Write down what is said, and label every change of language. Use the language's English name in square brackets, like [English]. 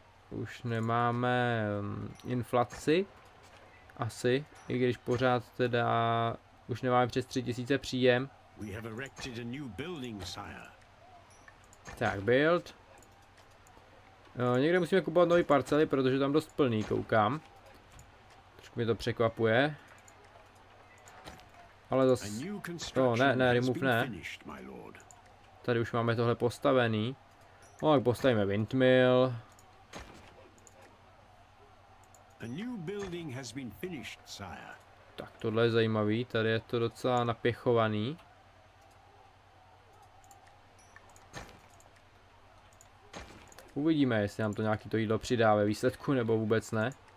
[Czech] Už nemáme inflaci. Asi, i když pořád teda už nemáme přes 3000 příjem. [English] We have erected a new building, sire. [Czech] Tak, build. Někde musíme kupovat nový parcely, protože tam dost plný, koukám. Trošku mi to překvapuje. Ale zase... No, ne, ne, remove ne. Tady už máme tohle postavený. No, tak postavíme windmill. [English] A new building has been finished, sire. [Czech] Tak, tohle je zajímavý, tady je to docela napěchovaný. Uvidíme, jestli nám to nějaký to jídlo přidá ve výsledku, nebo vůbec ne.